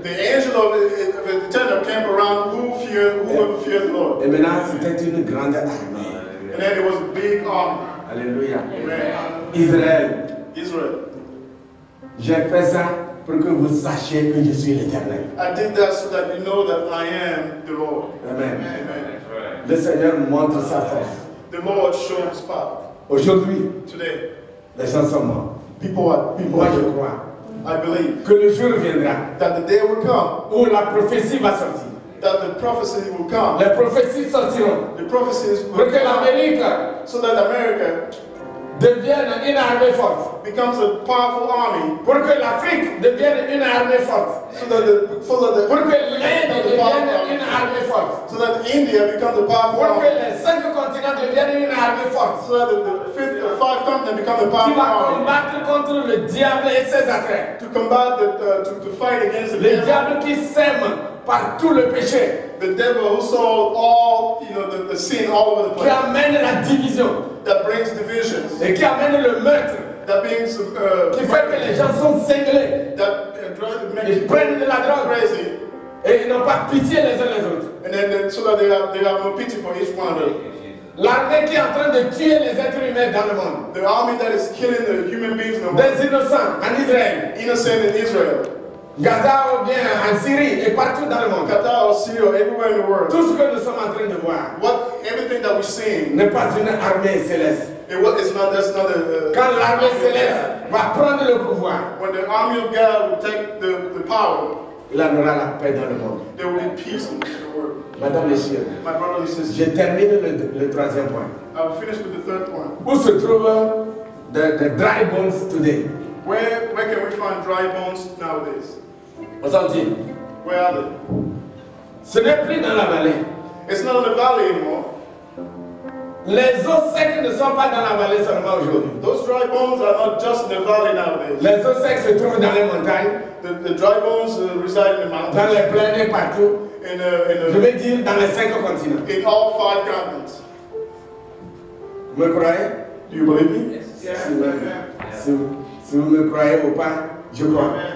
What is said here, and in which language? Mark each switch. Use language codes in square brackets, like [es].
[en] The angel of the Eternal camp around whoever fears the Lord. [fr] Et maintenant, c'était une grande armée. [en] And then it was a big army. [fr] Alléluia. Amen. Israël. [en] Israel. [fr] J'ai fait ça pour que vous sachiez que je suis l'Éternel. [en] I did that so that you know that I am the Lord. [fr] Amen. Amen. Le Seigneur montre sa force. [en] The Lord shows power. [fr] Aujourd'hui, [en] today, [fr] les gens sont morts. [en] People, [fr] je crois. [en] I believe [fr] que le jour viendra, [en] that the day will come, [fr] où la prophétie va sortir, [en] that the prophecy will come, [fr] les prophéties sortiront, [en] the prophecies will [fr] pour que l'Amérique, [en] so that America [fr] devienne une armée forte, [en] becomes a powerful army, [fr] pour que l'Afrique devienne une armée forte, [en] so that [fr] pour que l'Inde devienne une armée forte, [en] so that India becomes a powerful army, [fr] pour que les cinq continents deviennent une armée forte, [en] so that the five continents become a powerful army, [fr] qui va combattre contre le diable et ses attraits, [en] to combat to fight against the devil, [fr] le diable qui sème partout le péché, [en] the devil who sowed all, you know, the sin all over the place, [fr] qui amène la division, [en] that brings divisions, [fr] et qui amène le meurtre, [en] that brings, [fr] qui fait que les gens sont cinglés, [en] that [fr] ils prennent de la drogue, [en] crazy, [fr] et ils n'ont pas pitié les uns les autres, [en] and then so that they have no pity for each one of them. [fr] L'armée qui est en train de tuer les êtres humains dans le monde, [en] the army that is killing the human beings in the world, [fr] des innocents en Israël, [en] innocent in Israel, [fr] Gaza ou bien en Syrie et partout dans le monde. [en] Gaza or Syria or everywhere in the world. [fr] Tout ce que nous sommes en train de voir. [en] What everything that we're seeing. [fr] N'est pas une armée céleste. [en] What is not, that's not a. [fr] Quand l'armée céleste va prendre le pouvoir. [en] When the army of God will take the power. [fr] Il y aura la paix dans le monde. [en] There will be peace in the world. [fr] Madame, Monsieur. [en] My brother, Monsieur. [fr] Je termine le troisième point. [en] I'll finish with the third point. [fr] Où se trouvent [en] the dry bones today? Where can we find dry bones nowadays? What's up, Jim? Where are they? [fr] Ce n'est plus dans la vallée. [en] It's not in the valley anymore. [fr] Les os secs ne sont pas dans la vallée seulement aujourd'hui. [en] Those dry bones are not just in the valley nowadays. [fr] Les os secs se trouvent dans les montagnes. [en] The dry bones reside in the mountains. [fr] Dans les plaines partout. Je veux dire dans les cinq continents. [en] In all five continents. [fr] Vous me croyez? [en] Do you believe me? Yes. [fr] Si vous me croyez ou pas, je crois.